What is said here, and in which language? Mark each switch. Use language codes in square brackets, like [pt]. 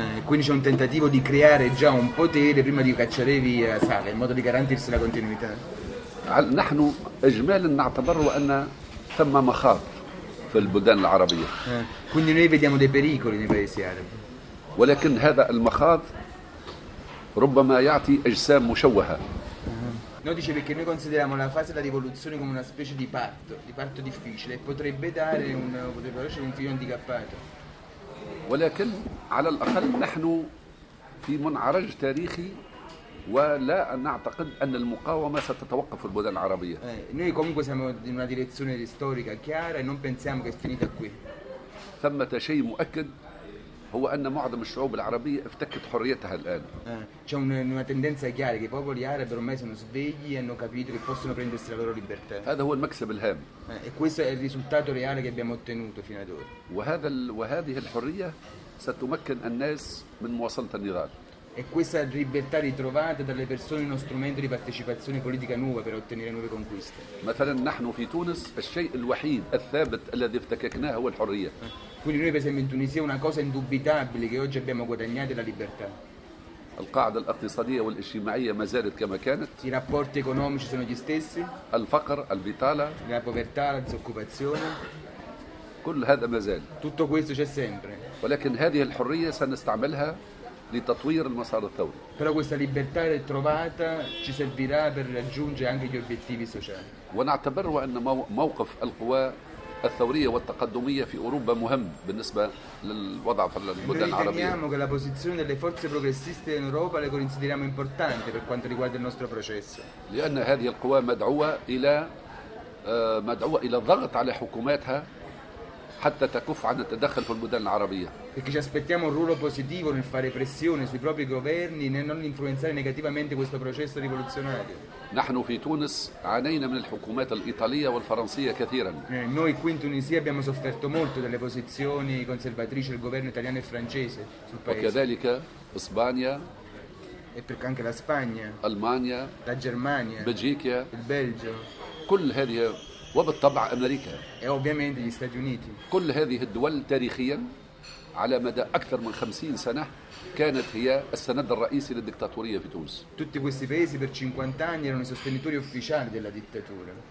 [it] Quindi c'è un tentativo di creare già un potere prima di cacciare via Saleh in modo di garantirsi la continuità. [ar] نحن إجمالا نعتبر أن ثم مخاض في البلدان العربية. [it] Quindi noi vediamo dei pericoli nei paesi arabi. [ar] ولكن هذا المخاض ربما يعطي أجسام مشوهة. [it] Noi dice perché noi consideriamo la fase della rivoluzione come una specie di parto difficile e potrebbe dare un potrebbe essere un figlio handicappato. [ar] ولكن على الأقل نحن في منعرج تاريخي ولا نعتقد ان المقاومه ستتوقف في البلدان العربيه. [it] Noi comunque siamo in una direzione storica chiara e non pensiamo che finita qui. [ar] ثمة شيء مؤكد هو ان معظم الشعوب العربيه افتكت حريتها الان. [it] C'è una tendenza chiara che i popoli arabi ormai sono svegli e hanno capito che possono prendersi la loro libertà. [ar] هذا هو المكسب الهام. [it] E questo è il risultato reale che abbiamo ottenuto fino ad ora. [ar] وهذه الحريه ستمكن الناس من مواصله النضال. [it] E questa libertà ritrovata dalle persone è uno strumento di partecipazione politica nuova per ottenere nuove conquiste. [ar] مثلا نحن في تونس الشيء الوحيد الثابت الذي افتككناه هو الحريه. [it] Quindi noi per esempio in Tunisia una cosa indubitabile che oggi abbiamo guadagnato è la libertà. [ar] القاعده الاقتصاديه والاجتماعيه ما زالت كما كانت. [it] I rapporti economici sono gli stessi. [ar] الفقر البطاله. [it] La povertà, la disoccupazione. [ar] كل هذا ما زال. [it] Tutto questo c'è sempre. [ar] ولكن هذه الحريه سنستعملها لتطوير المسار الثوري. [it] Però questa libertà ritrovata ci servirà per raggiungere anche gli obiettivi sociali. [ar] ونعتبر ان موقف القوى الثوريه والتقدميه في اوروبا مهم بالنسبه للوضع في البلدان العربيه. [it] Riteniamo che la posizione delle forze progressiste in Europa le consideriamo importante per quanto riguarda il nostro processo. [ar] لان هذه القوى مدعوه الى الضغط على حكوماتها حتى تكف عن التدخل في البلدان العربيه. [it] Perché ci aspettiamo un ruolo positivo nel fare pressione sui propri governi nel non influenzare negativamente questo processo rivoluzionario. [ar] نحن في تونس عانينا من الحكومات الايطاليه والفرنسيه كثيرا. [it] Noi qui in Tunisia abbiamo sofferto molto delle posizioni conservatrici del governo italiano e francese sul paese. [ar] وكذلك اسبانيا. [it] E perché anche la Spagna. [ar] المانيا. [it] La Germania. [ar] بلجيكا. [it] Il Belgio. [ar] كل هذه وبالطبع امريكا. [it] E ovviamente gli Stati Uniti. [ar] كل هذه الدول تاريخيا على مدى اكثر من 50 سنه كانت هي السند الرئيسي للديكتاتوريه في تونس. [it] Tutti questi paesi per 50 anni erano i sostenitori ufficiali della dittatura.